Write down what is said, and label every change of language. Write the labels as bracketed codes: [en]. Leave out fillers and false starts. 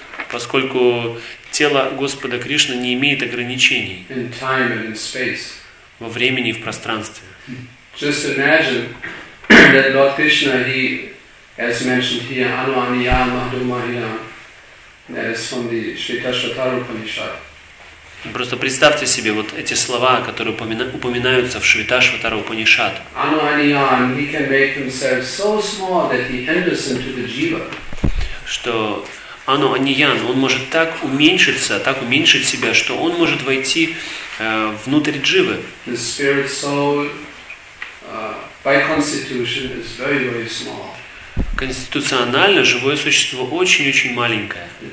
[ru] Поскольку тело Господа Кришны не имеет ограничений [en] in time and in space. [ru] Во времени и в пространстве. [en] Just imagine that Lord Krishna, he, as mentioned here, Anuaniya Madhumaya, that is from the Shvetashvatara Upanishad. [ru] Просто представьте себе вот эти слова, которые упоминаются в Шветашватара Упанишад. [en] Anuaniyan, he can make himself so small that he enters into the jiva. [ru] Что Anuaniyan, он может так уменьшиться, так уменьшить себя, что он может войти внутрь дживы. [en] The spirit soul, by constitution, is very, very small. [ru] Конституционально живое существо очень-очень маленькое.